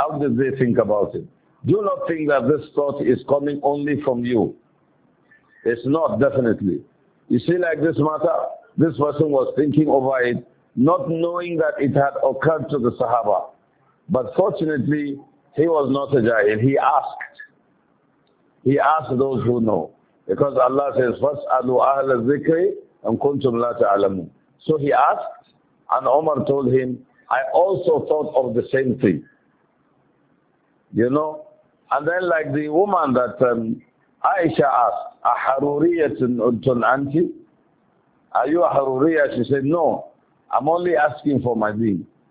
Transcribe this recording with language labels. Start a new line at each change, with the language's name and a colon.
English: How did they think about it? Do not think that this thought is coming only from you. It's not, definitely. You see, like this matter, this person was thinking over it, not knowing that it had occurred to the Sahaba. But fortunately, he was not a jahil. He asked. He asked those who know. Because Allah says,
Arabic: فَاسْأَلُوا أَهْلَ الذِّكْرِ أَمْ كُنْتُمْ لَا تَعْلَمُونَ.
English: So he asked, and Umar told him, I also thought of the same thing. You know, and then like the woman that Aisha asked,
Arabic: أَحَرُورِيَةٌ أُنْتُنْ أَنْتِ.
English: Are you a haruriya? She said, no, I'm only asking for my deen.